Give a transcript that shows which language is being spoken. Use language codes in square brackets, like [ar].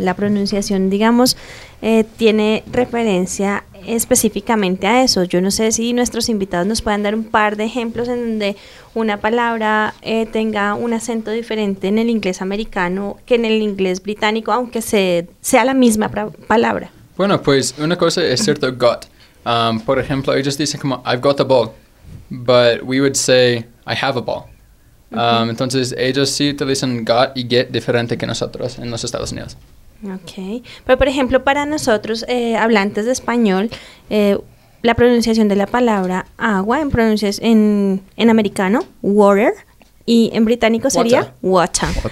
[es] La pronunciación, digamos, tiene referencia específicamente a eso. Yo no sé si nuestros invitados nos puedan dar un par de ejemplos en donde una palabra tenga un acento diferente en el inglés americano que en el inglés británico, aunque sea la misma palabra. Bueno, pues una cosa es cierto, got. Por ejemplo, ellos dicen como, [en] I've got a ball, but we would say, I have a ball. [es] Entonces, ellos sí utilizan got y get diferente que nosotros en los Estados Unidos. Okay, pero por ejemplo para nosotros hablantes de español la pronunciación de la palabra agua en americano water y en británico sería water.